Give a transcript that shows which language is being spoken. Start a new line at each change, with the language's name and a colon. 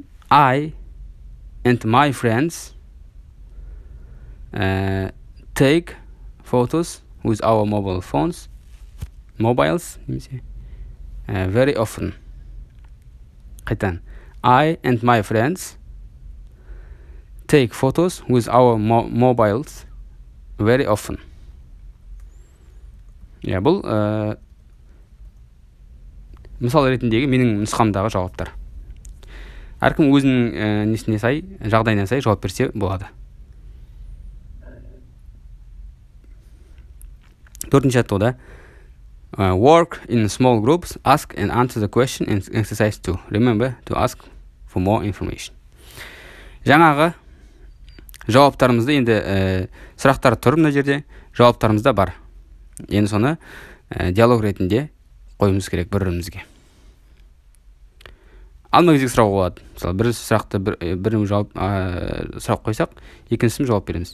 English: I and my friends take photos with our mobiles, very often.
Kazakh: Қайтан.
English: I and my friends take photos with our mobiles very often.
Kazakh: Yeah, бұл мысал ретіндегі менің нұсқамдағы жауаптар. әркім өзінің несіне сай, жағдайына сай жауап берсе болады. Төртінші аттауда,
English: work in small groups, ask and answer the question in exercise 2. Remember to ask for more information.
Kazakh: Жаңағы жауаптарымызды енді сұрақтар тұр мына жерде, жауаптарымыз да бар. Енді соны диалог ретінде қойымыз керек бір-бірімізге. Ал мынадай сұрақ болады. Мысалы, бір сұрақты біріміз жауап сұрақ қойсақ, екіншісіміз жауап береміз.